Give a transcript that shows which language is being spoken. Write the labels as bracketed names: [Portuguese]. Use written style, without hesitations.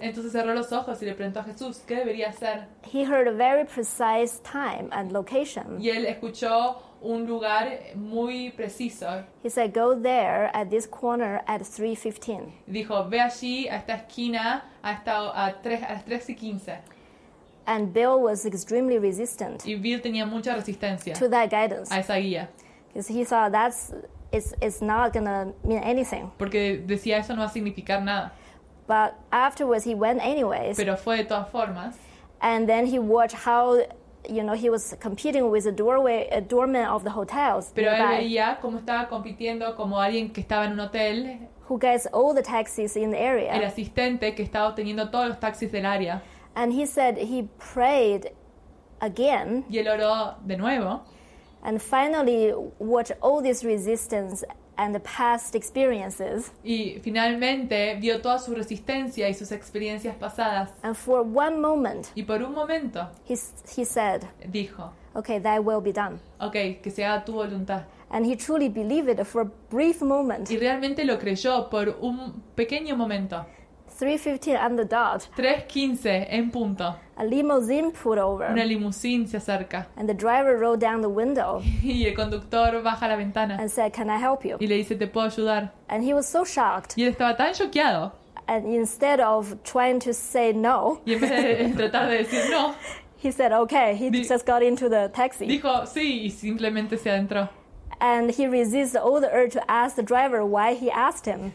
[Spanish] Entonces cerró los ojos y le preguntó a Jesús, ¿qué debería hacer? [English] He heard a very precise time and location. [Spanish] Y él escuchó un lugar muy preciso. [English] He said, "Go there at this corner at 3:15." [Spanish] Dijo, ve allí a esta esquina a las 3:15. [English] And Bill was extremely resistant. [Spanish] Y Bill tenía mucha resistencia. [English] To that guidance. [Spanish] A esa guía. [English] Because he thought that's it's not gonna mean anything. [Spanish] Porque decía eso no va a significar nada. [English] But afterwards he went anyways. [Spanish] Pero fue de todas formas. [English] And then he watched how, you know, he was competing with a doorman of the hotels. [Spanish] Pero él veía cómo estaba compitiendo como alguien que estaba en un hotel. [English] Who gets all the taxis in the area. [Spanish] El asistente que estaba obteniendo todos los taxis del área. [English] And he said he prayed again. [Spanish] Y él oró de nuevo. [English] And finally watched all this resistance and the past experiences. [Spanish] Y finalmente vio toda su resistencia y sus experiencias pasadas. [English] And for one moment. [Spanish] Y por un momento. [English] He said. [Spanish] Dijo. [English] Okay, thy will be done. [Spanish] Okay, que se haga tu voluntad. [English] And he truly believed it for a brief moment. [Spanish] Y realmente lo creyó por un pequeño momento. [English] 3:15 on the dot. [Spanish] 3:15 en punto. [English] A limousine pulled over. [Spanish] Una limusina se acerca. [English] And the driver rolled down the window. [Spanish] Y el conductor baja la ventana. [English] And said, "Can I help you?" [Spanish] Y le dice, "¿Te puedo ayudar?" [English] And he was so shocked. [Spanish] Y él estaba tan choqueado. [English] And instead of trying to say no. [Spanish] Y en vez de tratar de decir no. [English] He said, "Okay." He just got into the taxi. [Spanish] Dijo, "Sí," y simplemente se adentró. [English] And he resists all the urge to ask the driver why he asked him.